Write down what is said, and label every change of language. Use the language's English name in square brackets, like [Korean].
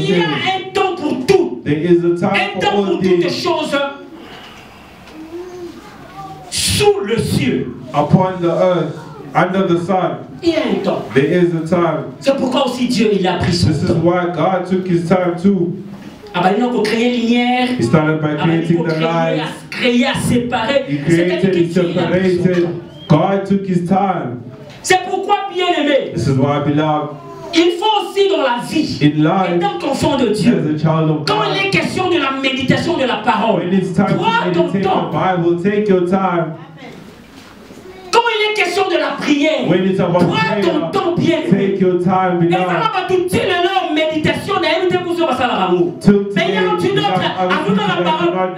[English] says, [French] il y a un temps pour tout. [English] There is a time [French] un temps [English] for all [French] pour toutes les choses sous le ciel. [English] Upon the earth. Under the sun, there is a time. [French] C'est pourquoi aussi Dieu il a pris son temps. [English] This is why God took his time too. He started by creating the light. He created and separated. God took his time. [French] C'est pourquoi bien aimé. [English] This is why beloved. [French] Il faut aussi dans la vie, [English] in life, [French] étant enfant de Dieu, [English] as a child of God, [French] quand il est question de la méditation de la parole, [English] when it's time to meditate the Bible, take your time. [French] Quand il est question de la prière, prends ton temps bien. [English] Take your time, beloved. [French] Et ça va tout de suite en méditation, d'ailleurs, nous devons faire ça dans l'amour. Mais il y a une autre, avant dans la parole,